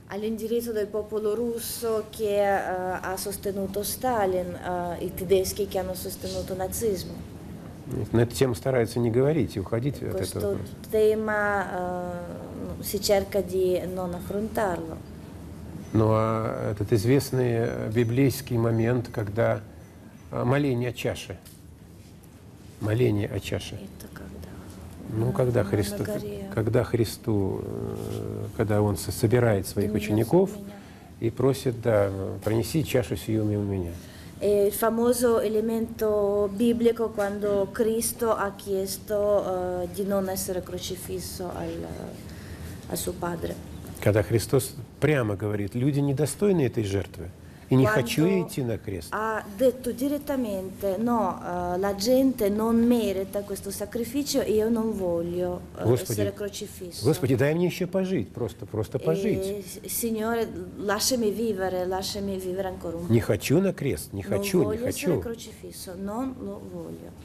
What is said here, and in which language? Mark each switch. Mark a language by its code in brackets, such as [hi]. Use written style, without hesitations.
[it] All'indirizzo del popolo russo che ha sostenuto Stalin, i tedeschi che hanno sostenuto nazismo. [ru] На эту тему стараются не говорить и уходить от этого. [it] Questo tema si cerca di non affrontarlo. [ru] Ну а этот известный библейский момент, когда Моление о чаше. Это когда? Ну, когда Христос, когда Христу, когда Он собирает своих учеников и просит, да, пронеси чашу сию мимо меня. [it] Il famoso elemento biblico quando Cristo ha chiesto di non essere crocifisso al suo padre. [ru] Когда Христос прямо говорит, люди недостойны этой жертвы. И не хочу я идти на крест. [it] Ha detto direttamente, no, la gente non merita questo sacrificio, e io non voglio essere crocifisso. [ru] Господи, дай мне еще пожить, просто пожить. [it] Signore, lasciami vivere ancora un po'. [ru] Не хочу на крест, не хочу. [it] Non voglio essere crocifisso, non lo voglio.